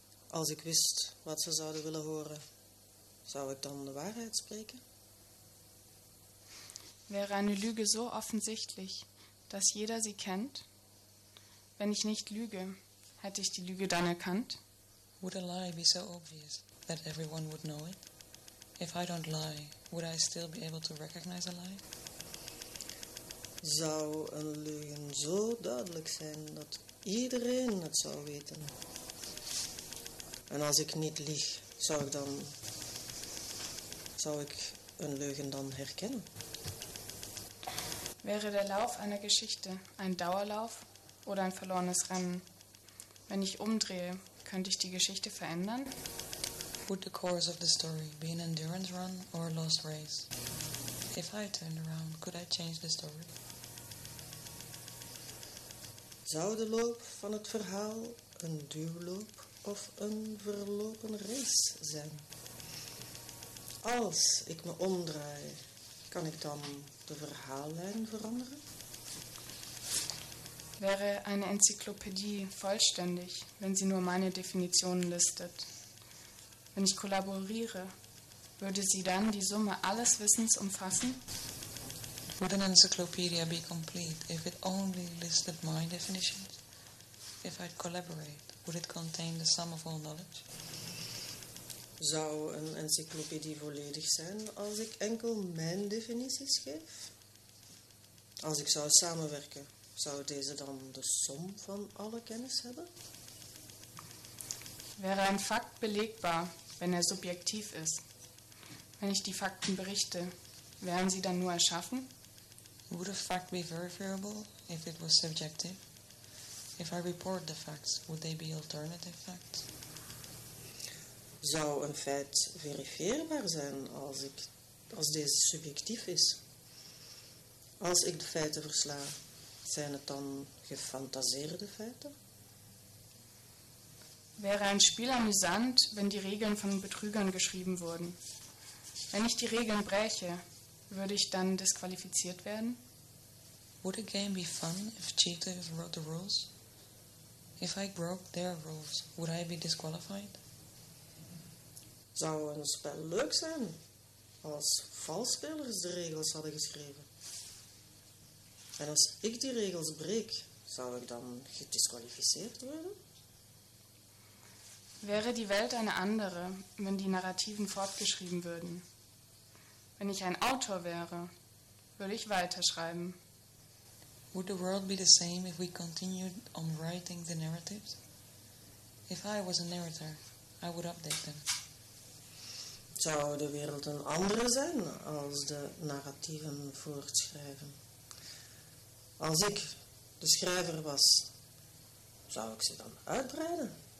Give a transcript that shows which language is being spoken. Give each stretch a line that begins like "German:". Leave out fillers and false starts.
Dutch: Als
German: ich wüsste,
Dutch: was sie zouden willen hören, zou ich dann de Wahrheit spreken?
German: Wäre eine Lüge so offensichtlich, dass jeder sie kennt? Wenn ich nicht lüge, hätte ich die Lüge dann erkannt?
English: Would a lie be so obvious that everyone would know it? If I don't lie, would I still be able to recognize a lie?
Dutch: Zou een leugen zo duidelijk zijn dat iedereen het zou weten? En als ik niet lieg, zou ik een leugen dan herkennen?
German: Wäre der Lauf einer Geschichte ein Dauerlauf? Oder ein verlorenes Rennen. Wenn ich umdrehe, könnte ich die Geschichte verändern?
English: Would the course of the story be an endurance run or a lost race? If I turned around, could I change the story?
Dutch: Zou de loop van het verhaal een duurloop of een verlopen race zijn? Als ik me omdraai, kan ik dan de verhaallijn veranderen?
German: Wäre eine Enzyklopädie vollständig, wenn sie nur meine Definitionen listet? Wenn ich kollaboriere, würde sie dann die Summe alles Wissens umfassen?
English: Would an encyclopedia be complete if it only listed my definitions? If I'd collaborate, would it contain the sum of all knowledge?
Dutch: Zou een encyclopedie volledig zijn als ik enkel mijn definities geef? Als ik zou samenwerken? Zou deze dan de som van alle kennis hebben?
German: Wäre ein Fakt belegbar, wenn subjektiv ist? Wenn ich die Fakten berichte, wären sie dann nur erschaffen?
English: Would a fact be verifiable if it was subjective? If I report the facts, would they be alternative facts?
Dutch: Zou een feit verifieerbaar zijn als deze subjectief is? Als ik de feiten versla? Zijn het dan gefantaseerde feiten?
German: Wäre ein Spiel amüsant, wenn die Regeln von Betrügern geschrieben wurden? Wenn ich die Regeln breche, würde ich dann disqualifiziert werden?
English: Would a game be fun if cheaters wrote the rules? If I broke their rules, would I be disqualified?
Dutch: Zou een spel leuk zijn als valsspelers de regels hadden geschreven? En als ik die regels breek, zou ik dan gedisqualificeerd worden?
German: Wäre die Welt eine andere, wenn die Narrativen fortgeschrieben würden? Wenn ich ein Autor wäre, würde ich weiterschreiben.
English: Would the world be the same if we continued on writing the narratives? If I was a narrator, I would update them.
Dutch: Zou de wereld een andere zijn als de narratieven voortschrijven? Als ik de schrijver was, zou ik ze dan uitbreiden?